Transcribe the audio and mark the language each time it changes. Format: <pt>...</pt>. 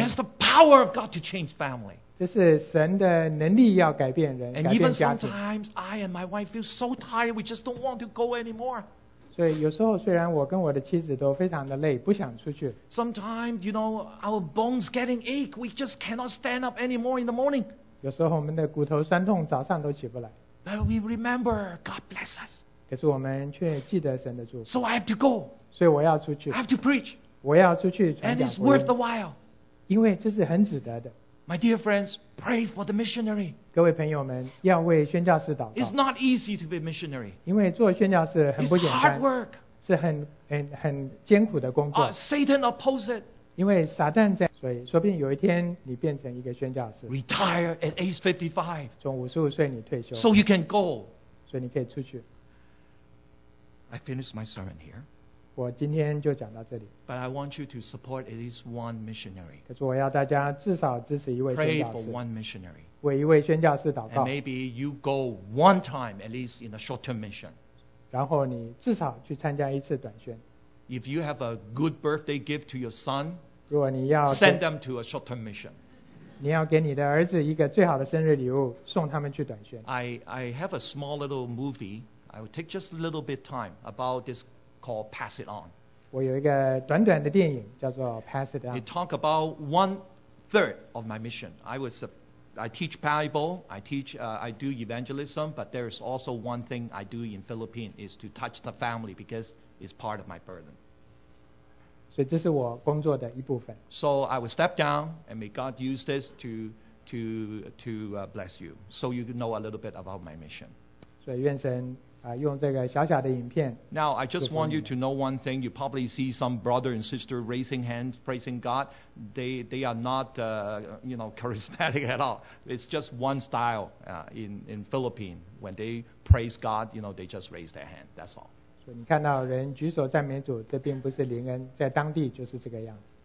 <en>It has the power of God to change family.</en> <zh>这是神的能力要改变人，改变家庭。</zh> <en>And even sometimes I and my wife feel so tired, we just don't want to go anymore.</en> <zh>所以有时候虽然我跟我的妻子都非常的累，不想出去。</zh> <en>Sometimes you know our bones getting ache, we just cannot stand up anymore in the morning.</en> <zh>有时候我们的骨头酸痛，早上都起不来。</zh> <en>But we remember God bless us.</en> <zh>可是我们却记得神的祝福。</zh> <en>So I have to go.</en> <zh>所以我要出去。</zh> <en>I have to preach.</en> <zh>我要出去传讲福音，因为这是很值得的。</zh> <en>My dear friends, pray for the missionary.</en> <zh>各位朋友们，要为宣教士祷告。</zh> <en>It's not easy to be a missionary.</en> <zh>因为做宣教士很不简单。</zh> <en>It's hard work.</en> <zh>是很艰苦的工作。</zh> <en>Satan opposes it.</en> <zh>因为撒旦在，所以说不定有一天你变成一个宣教士。</zh> <en>Retire at age 55.</en> <zh>从五十五岁你退休。</zh> <en>So you can go.</en> <zh>所以你可以出去。</zh> <en>I finished my sermon here.</en> <zh>我今天就讲到这里。</zh> <en>But I want you to support at least one missionary.</en> <zh>可是我要大家至少支持一位宣教士。</zh> <en>Pray for one missionary.</en> <zh>为一位宣教士祷告。</zh> <en>And maybe you go one time at least in a short-term mission.</en> <zh>然后你至少去参加一次短宣。</zh> <en>If you have a good birthday gift to your son,</en> <zh>如果你要</zh> <en>send them to a short-term mission.</en> <zh>你要给你的儿子一个最好的生日礼物，送他们去短宣。</zh> <en>I have a small little movie. I will take just a little bit time about this. Called Pass It On.</en> <zh>我有一个短短的电影叫做 Pass It On.</zh> <en>It talk about one third of my mission. I teach Bible, I do evangelism, but there is also one thing I do in Philippines is to touch the family because it's part of my burden.</en> <zh>所以这是我工作的一部分。</zh> <en>So I will step down and may God use this to to bless you, so you know a little bit about my mission.</en> <zh>所以愿神用这个小小的影片。</zh> <en>Now, I just want you to know one thing. You probably see some brother and sister raising hands, praising God. They are not, charismatic at all. It's just one style in Philippines. When they praise God, they just raise their hand. That's all.</en> <zh>所以你看到人举手赞美主，这并不是灵恩，在当地就是这个样子。</zh>